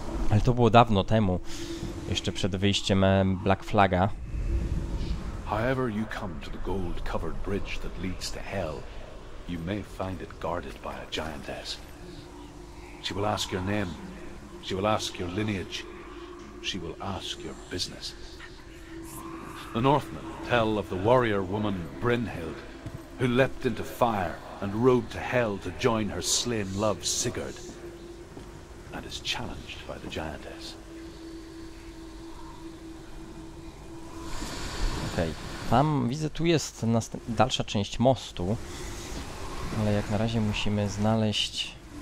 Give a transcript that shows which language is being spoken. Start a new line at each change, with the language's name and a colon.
Polish: Ale to było dawno temu, jeszcze przed wyjściem Black Flaga.
English: However you come to the gold-covered bridge that leads to hell, you may find it guarded by a giantess. She will ask your name, she will ask your lineage, she will ask your business. The Northmen tell of the warrior woman Brynhild, who leapt into fire and rode to hell to join her slain love Sigurd, and is challenged by the giantess.
Polish: Okej, tam widzę, tu jest dalsza część mostu, ale jak na razie musimy znaleźć...